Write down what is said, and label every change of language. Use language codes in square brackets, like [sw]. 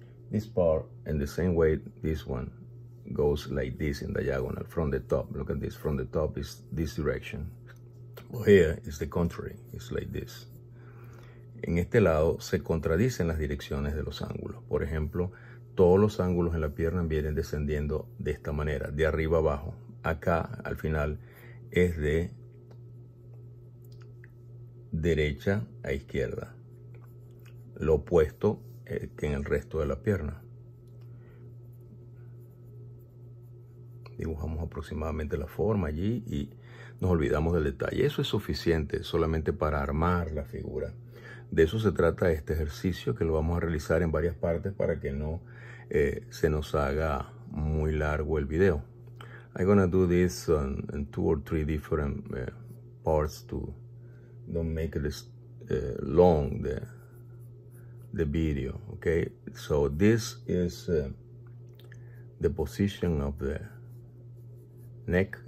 [en] This part, in the same way, this one goes like this in diagonal from the top. Look at this. From the top is this direction. Here is the contrary. It's like this. [es] En este lado se contradicen las direcciones de los ángulos. Por ejemplo, todos los ángulos en la pierna vienen descendiendo de esta manera, de arriba abajo. Acá, al final, es de derecha a izquierda, lo opuesto que en el resto de la pierna. Dibujamos aproximadamente la forma allí y nos olvidamos del detalle. Eso es suficiente solamente para armar la figura. De eso se trata este ejercicio, que lo vamos a realizar en varias partes para que no se nos haga muy largo el video. [en] I'm gonna do this in two or three different parts to don't make this long the video, okay? So this is the position of the neck.